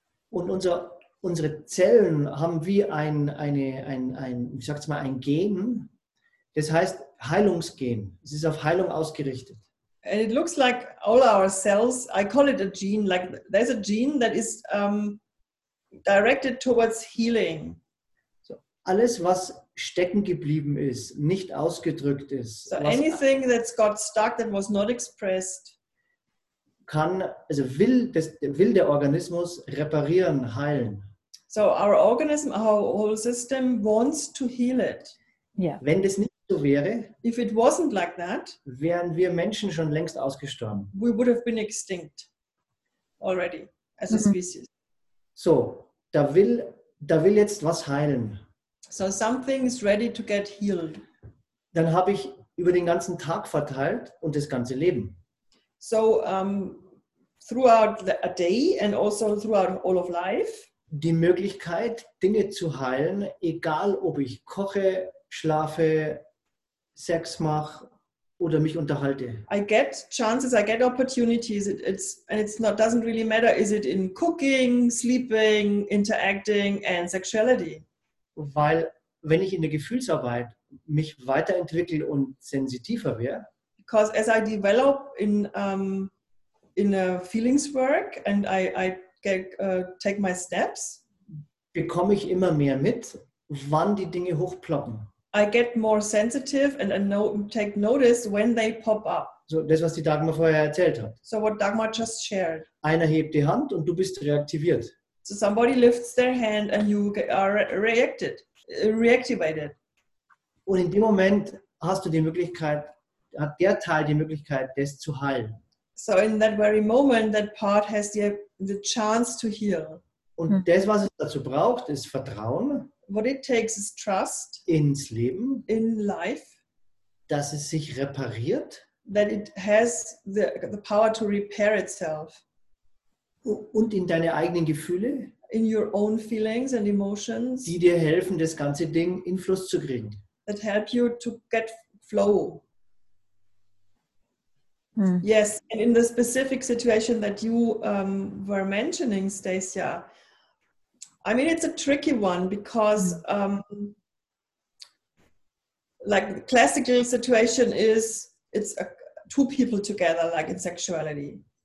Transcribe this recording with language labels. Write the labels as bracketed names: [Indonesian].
[German] Und unsere Zellen haben wie ein Gen. Das heißt Heilungsgen. Es ist auf Heilung ausgerichtet. [English] And it looks like all our cells, I call it a gene, like there's a gene that is directed towards healing. [German] So alles, was stecken geblieben ist, nicht ausgedrückt ist. [English] So anything that's got stuck, that was not expressed. [German] kann, also will, das, will der Organismus reparieren, heilen. [English] So our organism, our whole system wants to heal it. Yeah. [German] Wenn das nicht so wäre, [English] if it wasn't like that, [German] wären wir Menschen schon längst ausgestorben. [English] We would have been extinct already as a species. [German] So, da will jetzt was heilen. [English] So something is ready to get healed. [German] Dann habe ich über den ganzen Tag verteilt und das ganze Leben. [English] So throughout the, a day and also throughout all of life. [German] Die Möglichkeit, Dinge zu heilen, egal ob ich koche, schlafe, Sex mache oder mich unterhalte. [English] I get chances, I get opportunities. It's and it's not doesn't really matter. Is it in cooking, sleeping, interacting and sexuality? [German] Weil wenn ich in der Gefühlsarbeit mich weiterentwickle und sensitiver werde. [English] Because as I develop in a feelings work and I get, take my steps, [German] bekomme ich immer mehr mit, wann die Dinge hochploppen. [English] I get more sensitive and take notice when they pop up. [German] So das, was die Dagmar vorher erzählt hat. [English] So what Dagmar just shared. [German] Einer hebt die Hand und du bist reaktiviert. [English] So somebody lifts their hand and you are reactivated. [German] Und in dem Moment hast du die Möglichkeit, hat der Teil die Möglichkeit, das zu heilen. [English] So in that very moment, that part has the chance to heal. [German] Und das, was es dazu braucht, ist Vertrauen. [English] What it takes is trust. [German] Ins Leben. [English] In life. [German] Dass es sich repariert. [English] That it has the power to repair itself. [German] Und in deine eigenen Gefühle. [English] In your own feelings and emotions. [German] Die dir helfen, das ganze Ding in Fluss zu kriegen. [English] That help you to get flow. Yes, and in the specific situation that you were mentioning, Stacia, I mean, it's a tricky one because like the classical situation is it's two people together, like in sexuality.